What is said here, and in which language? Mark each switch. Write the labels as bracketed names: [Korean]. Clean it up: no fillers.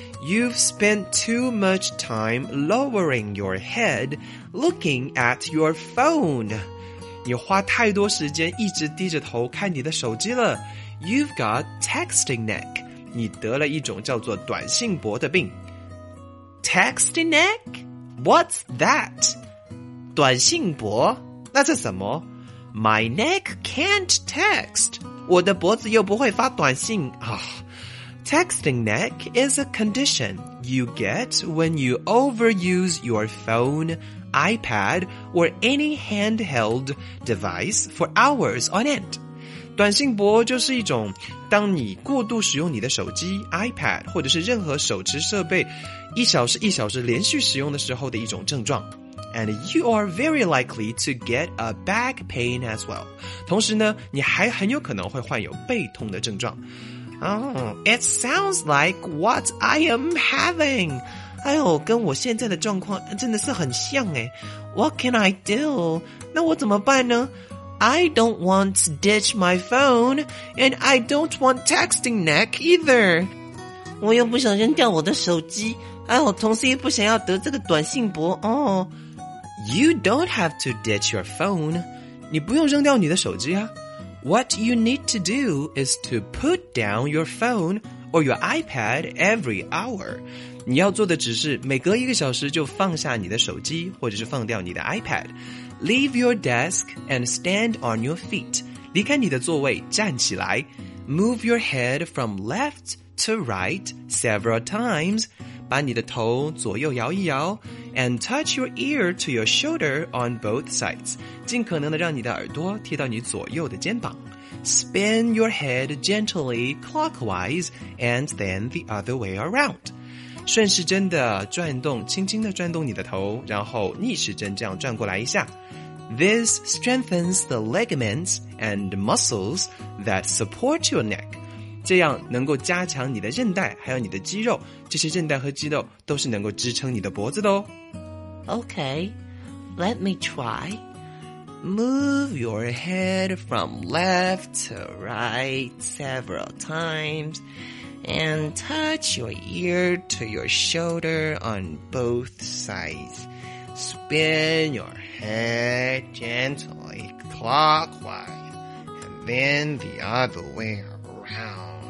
[English] You've spent too much time lowering your head, looking at your phone. [Chinese] 你花太多时间一直低着头看你的手机了。 [English] You've got texting neck. [Chinese] 你得了一种叫做短信脖的病。 [English] Texting neck? What's that? [Chinese] 短信脖？那这什么？ [English] My neck can't text. [Chinese] 我的脖子又不会发短信啊。 [English] Texting neck is a condition you get when you overuse your phone, iPad, or any handheld device for hours on end. [Chinese] 短信脖就是一种当你过度使用你的手机、iPad, 或者是任何手持设备一小时一小时连续使用的时候的一种症状。 [English] And you are very likely to get a back pain as well. [Chinese] 同时呢，你还很有可能会患有背痛的症状。 [English] It sounds like what I am having. [Chinese] 哎呦，跟我现在的状况真的是很像诶。 [English] What can I do? [Chinese] 那我怎么办呢？ [English] I don't want to ditch my phone, and I don't want texting neck either. [Chinese] 我又不想扔掉我的手机，哎呦，同时又不想要得这个短信脖哦。 [English] You don't have to ditch your phone. [Chinese] 你不用扔掉你的手机啊。 [English] What you need to do is to put down your phone or your iPad every hour. [Chinese] 你要做的只是每隔一个小时就放下你的手机或者是放掉你的 iPad. [English] Leave your desk and stand on your feet. [Chinese] 离开你的座位站起来。 [English] Move your head from left to right several times. [Chinese] 把你的头左右摇一摇。 [English] And touch your ear to your shoulder on both sides. [Chinese] 尽可能的让你的耳朵贴到你左右的肩膀。 [English] Spin your head gently clockwise and then the other way around. [Chinese] 顺时针的转动，轻轻的转动你的头，然后逆时针这样转过来一下。 [English] This strengthens the ligaments and muscles that support your neck. [Chinese] 这样能够加强你的韧带还有你的肌肉，这些韧带和肌肉都是能够支撑你的脖子的哦。 [English] Okay, let me try. Move your head from left to right several times and touch your ear to your shoulder on both sides. Spin your head gently clockwise and then the other way around.